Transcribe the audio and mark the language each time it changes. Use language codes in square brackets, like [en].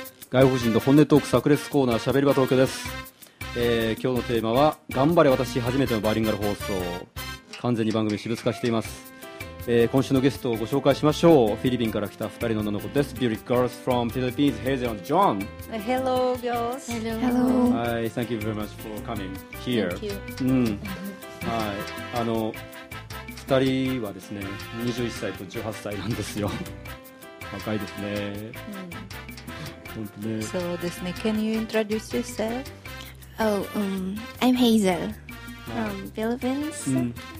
[ja] 外国人の本音トーク炸裂コーナー、しゃべり場東京です。今日のテーマは頑張れ私初めてのバイリンガル放送。完全に番組私物化しています。今週のゲストをご紹介しましょう。フィリピンから来た2人の女の子です。 [en] Beauty girls from Philippines, Hazel and John. Hello girls. Hello. Hi, thank you very much for coming here. Thank you. [ja] はい、あの2人はですね、21歳と18歳なんですよ。若いですね。ね、 [en] so this name, can you introduce yourself? Oh, I'm Hazel from Philippines.